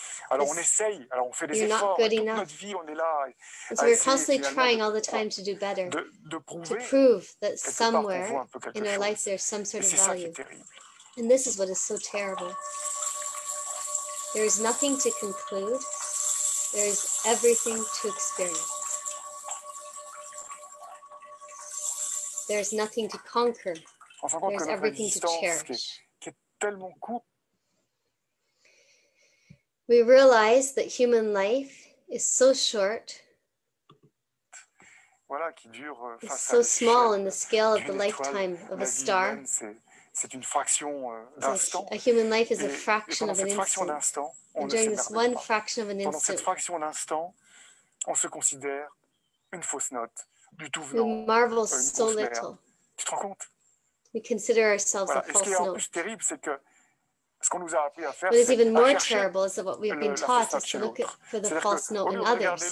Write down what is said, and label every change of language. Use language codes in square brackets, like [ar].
[fr] Alors on essaye, alors on fait des efforts, toute notre vie on est là. [en] So we're constantly trying all the time to do better, to prove that somewhere in our life there's some sort of value. And this is what is so terrible. There is nothing to conclude, there is everything to experience. There is nothing to conquer, there is everything to cherish. [fr] Qui est tellement court. [en] We realize that human life is so short, it's so small in the scale of the lifetime of a star. A human life is a fraction of an instant. And during this one fraction of an instant, [fr] on se considère une fausse note, du tout venant. [en] We marvel so little. [fr] Tu te rends compte? [en] We consider ourselves a false note. [fr] Ce qui est en plus terrible, c'est que ce qu'on nous a appris à faire, [en] what is even more terrible is that what we have been taught is to look for the false note in others.